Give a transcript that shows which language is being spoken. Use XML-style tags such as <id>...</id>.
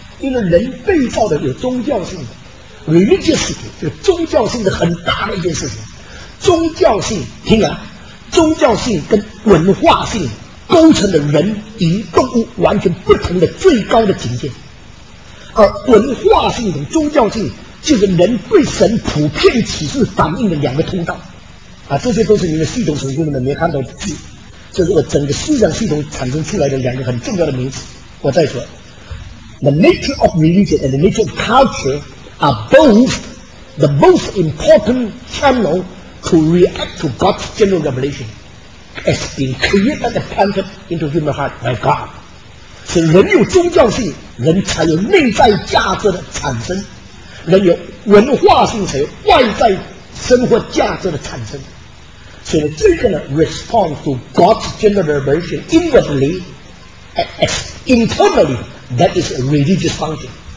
<zh>因为人被造的有宗教性的 religious 有宗教性的很大的一件事情，宗教性，听啊，宗教性跟文化性构成的人与动物完全不同的最高的境界。而文化性跟宗教性就是人对神普遍启示反应的两个通道啊，这些都是你的系统神经的，没看到字，这是我整个思想系统产生出来的两个很重要的名词。我再说</zh> <en>The nature of religion and the nature of culture are both the most important channel to react to God's general revelation has been created and planted into human heart by God。</en> <zh>所以人有宗教性，人才有内在价值的产生，人有文化性，才有外在生活价值的产生。所以这个呢</zh> <en>respond to God's general revelation inwardly externally, that is a religious function。</en>